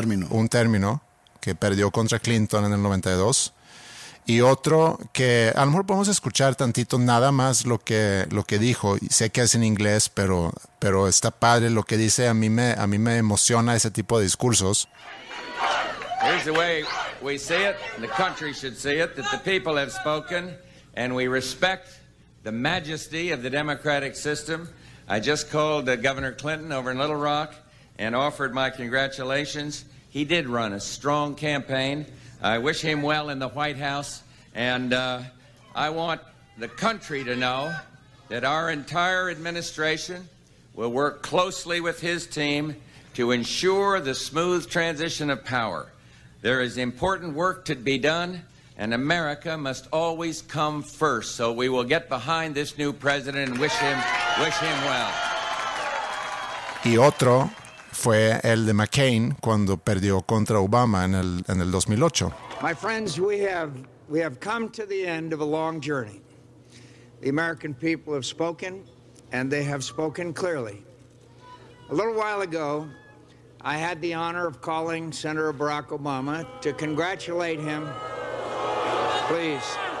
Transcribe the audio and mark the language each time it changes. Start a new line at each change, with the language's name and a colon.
Spanish: Un término, que perdió contra Clinton en el 92. Y otro que a lo mejor podemos escuchar tantito nada más lo que dijo. Sé que es en inglés, pero está padre lo que dice. A mí me emociona ese tipo de discursos.
English: Here's the way we see it, and the country should see it, that the people have spoken, and we respect the majesty of the democratic system. I just called Governor Clinton over in Little Rock and offered my congratulations. He did run a strong campaign. I wish him well in the White House, and I want the country to know that our entire administration will work closely with his team to ensure the smooth transition of power. There is important work to be done, and America must always come first. So we will get behind this new president and wish him well.
Spanish: Y otro fue el de McCain cuando perdió contra Obama en el 2008.
English: My friends, we have come to the end of a long journey. The American people have spoken, and they have spoken clearly. A little while ago, I had the honor of calling Senator Barack Obama to congratulate him. Please.